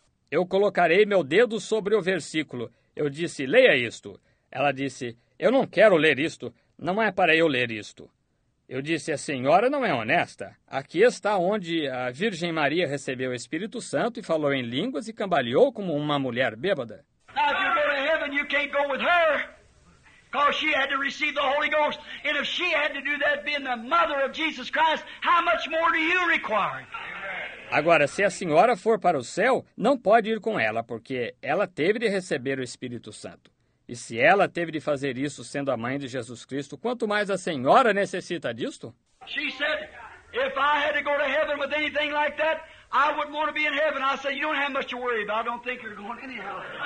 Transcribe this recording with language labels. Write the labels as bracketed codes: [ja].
[pt] Eu colocarei meu dedo sobre o versículo. Eu disse, leia isto. Ela disse, eu não quero ler isto. Não é para eu ler isto. Eu disse, a senhora não é honesta. Aqui está onde a Virgem Maria recebeu o Espírito Santo e falou em línguas e cambaleou como uma mulher bêbada. [en] Now, if you go to heaven, you can't go with her. Because she had to receive the Holy Ghost. And if she had to do that being the mother of Jesus Christ, how much more do you require? [pt] Agora, se a senhora for para o céu, não pode ir com ela, porque ela teve de receber o Espírito Santo. E se ela teve de fazer isso sendo a mãe de Jesus Cristo, quanto mais a senhora necessita disto? [en] She said, if I had to go to heaven with anything like that, I wouldn't want to be in heaven. I said, you don't have much to worry about. I don't think you're going anyhow.